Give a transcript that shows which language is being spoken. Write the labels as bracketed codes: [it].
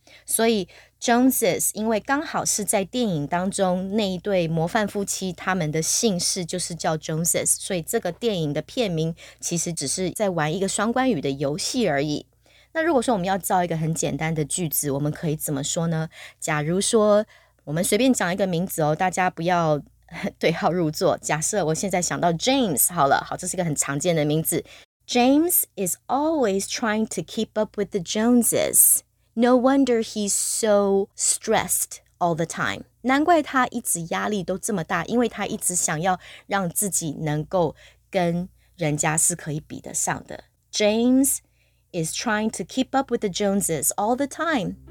[zh] 所以 Joneses 因为刚好是在电影当中那一对模范夫妻他们的姓氏就是叫 Joneses， 所以这个电影的片名其实只是在玩一个双关语的游戏而已。那如果说我们要造一个很简单的句子，我们可以怎么说呢？假如说我们随便讲一个名字哦，大家不要对号入座，假设我现在想到 James 好了，好，这是一个很常见的名字。 [en] James is always trying to keep up with the Joneses. No wonder he's so stressed all the time. [zh] 难怪他一直压力都这么大，因为他一直想要让自己能够跟人家是可以比得上的。 [en] James is trying to keep up with the Joneses all the time.